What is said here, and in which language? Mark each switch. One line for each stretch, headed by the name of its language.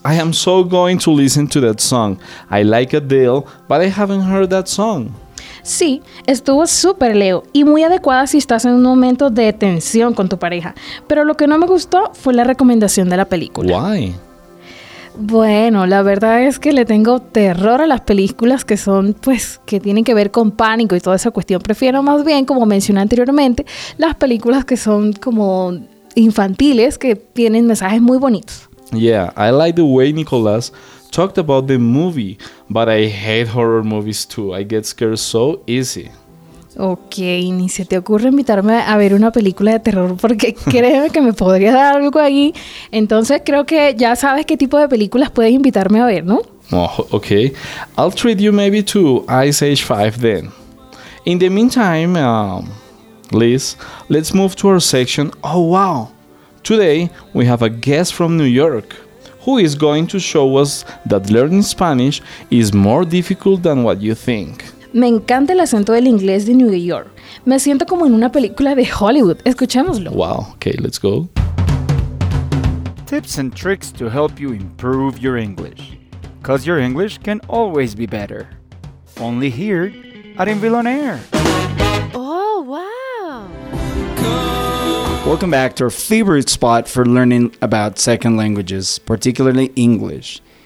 English: I am so going to listen to that song. I like Adele, but I haven't heard that song.
Spanish: Sí, estuvo súper, Leo, y muy adecuada si estás en un momento de tensión con tu pareja. Pero lo que no me gustó fue la recomendación de la película.
English: Why?
Spanish: Bueno, la verdad es que le tengo terror a las películas que son, pues, que tienen que ver con pánico y toda esa cuestión. Prefiero más bien, como mencioné anteriormente, las películas que son como infantiles que tienen mensajes muy bonitos.
English: Yeah, I like the way Nicolas talked about the movie, but I hate horror movies too. I get scared so easy.
Spanish: Ok, ni se te ocurre invitarme a ver una película de terror, porque créeme que me podría dar algo ahí. Entonces creo que ya sabes qué tipo de películas puedes invitarme a ver, ¿no?
English: Oh, ok, I'll treat you maybe to Ice Age 5 then. In the meantime, Liz, let's move to our section. Oh, wow. Today, we have a guest from New York who is going to show us that learning Spanish is more difficult than what you think.
Spanish: Me encanta el acento del inglés de New York. Me siento como en una película de Hollywood. Escuchémoslo.
English: Wow. Okay, let's go. Tips and tricks to help you improve your English. Because your English can always be better. Only here at Inville on Air. Oh, wow. Welcome back to our favorite spot for learning about second languages, particularly English.